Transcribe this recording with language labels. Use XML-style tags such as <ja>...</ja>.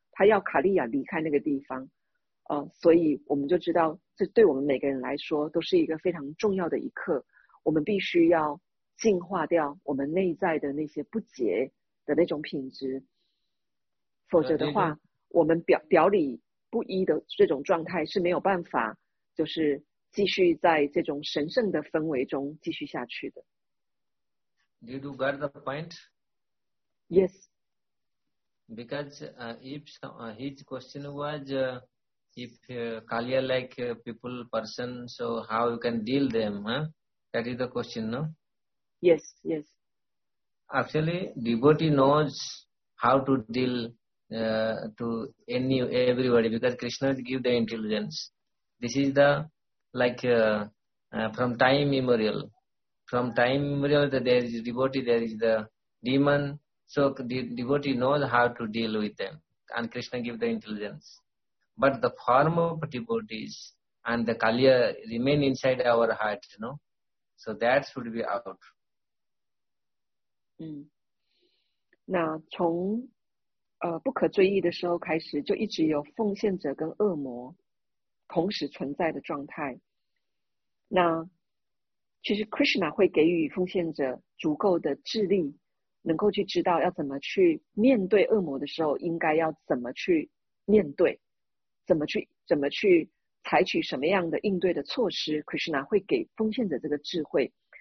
<zh>他要卡利亚离开那个地方，所以我们就知道这对我们每个人来说都是一个非常重要的一课，我们必须要净化掉我们内在的那些不洁的那种品质，否则的话我们 表里不一的这种状态是没有办法就是继续在这种神圣的氛围中继续下去的。</zh> <en>Did you get the point? Yes. Because his question was if Kaliya like people, person, so how you can deal them? That is the question, no? Yes, yes. Actually, devotee knows how to deal to everybody because Krishna gives the intelligence. This is the, like, from time immemorial. From time immemorial, there is devotee, there is the demon. So the devotee knows how to deal with them and Krishna gives the intelligence. But the form of devotees and the Kaliya remain inside our heart, you know. So that should be out.</en> <zh>那从不可追忆的时候开始就一直有奉献者跟恶魔同时存在的状态。那其实 Krishna 会给予奉献者足够的智力能够去知道要怎么去面对恶魔的时候应该要怎么去面对，怎么去采取什么样的应对的措施， Krishna 会给奉献者这个智慧。</zh>